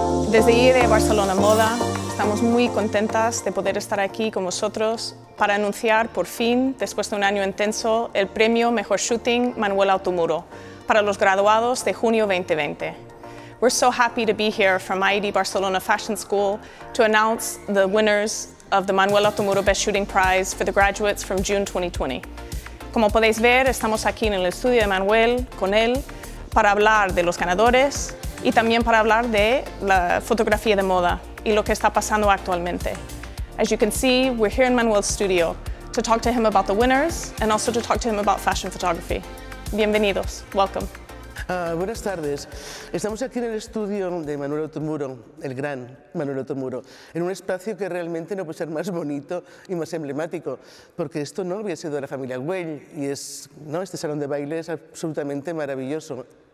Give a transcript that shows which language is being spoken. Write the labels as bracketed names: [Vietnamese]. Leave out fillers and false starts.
[Spanish] Desde IRE Barcelona Moda, estamos muy contentas de poder estar aquí con vosotros para anunciar por fin, después de un año intenso, el premio Mejor Shooting Manuel Altomuro para los graduados de junio 2020. [English] We're so happy to be here from IED Barcelona Fashion School to announce the winners of the Manuel Altomuro Best Shooting Prize for the graduates from June 2020. [Spanish] Como podéis ver, estamos aquí en el estudio de Manuel con él para hablar de los ganadores y también para hablar de la fotografía de moda y lo que está pasando actualmente. [English] As you can see, we're here in Manuel's studio to talk to him about the winners and also to talk to him about fashion photography. [Spanish] Bienvenidos, welcome. Buenas tardes. Estamos aquí en el estudio de Manuel Altomuro, el gran Manuel Altomuro, en un espacio que realmente no puede ser más bonito y más emblemático, porque esto no hubiera sido de la familia Güell y es, ¿no? Este salón de baile es absolutamente maravilloso.